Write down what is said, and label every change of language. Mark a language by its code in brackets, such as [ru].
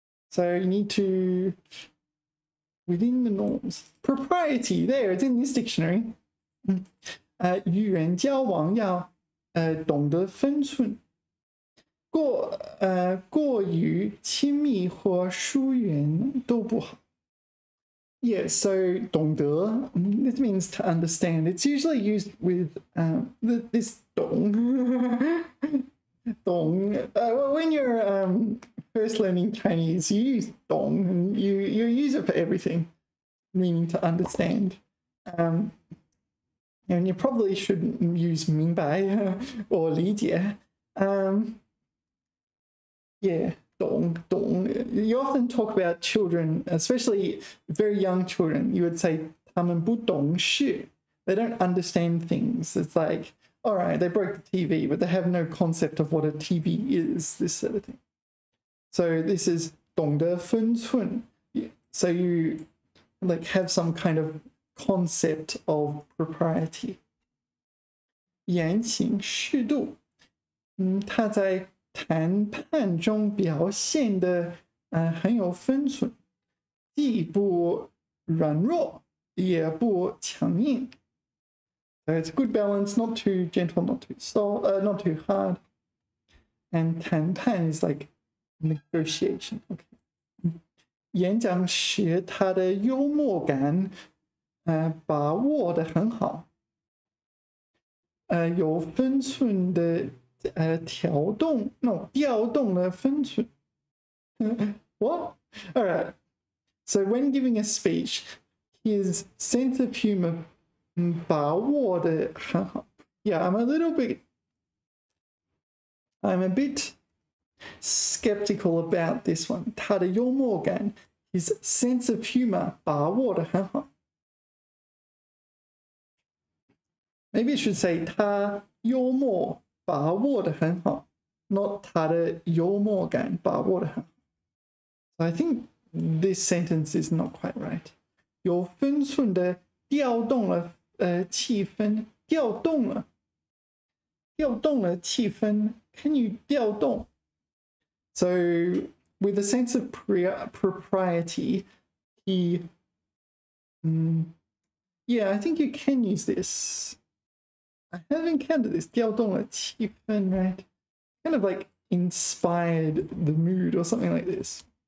[en] So you need to... Within the norms. Propriety, there, it's in this dictionary. [zh] 与人交往要懂得分寸。过于亲密或疏远都不好 [en] Yeah, so 懂得 This means to understand It's usually used with this 懂 懂 When you're first learning Chinese You use 懂 you use it for everything Meaning to understand And you probably shouldn't use 明白 Or 理解 Yeah, dong, dong. You often talk about children, especially very young children, you would say, [zh] 他们不懂事. [en] They don't understand things. It's like, all right, they broke the TV, but they have no concept of what a TV is, this sort of thing. So this is [zh] 懂得分寸. [en] So you like have some kind of concept of propriety. [zh] 言行适度. 他在谈判中表现得 很有分寸. 既不软弱, 也不强硬. [en] So it's a good balance, not too gentle, not too soft, not too hard. And 谈判 is like negotiation. Okay. [zh] 演讲时他的幽默感 把握得很好. 有分寸的 调动, [en] no, [zh] 调动了分寸. [en] What? Alright. So when giving a speech, his sense of humor [zh] 把握得很好. [en] Yeah, I'm a bit skeptical about this one. [zh] 他的幽默感, [en] his sense of humor [zh] 把握得很好. [en] Maybe it should say [zh] 他幽默把握得很好, [en] not [zh] 他的幽默感把握得很好. [en] So I think this sentence is not quite right. [zh] 有分寸的调动了 气氛调动了气氛. [en] Can you 调动? So with a sense of propriety, he I think you can use this. I have encountered this [zh] 调动了气氛, [en] right? Kind of like inspired the mood or something like this.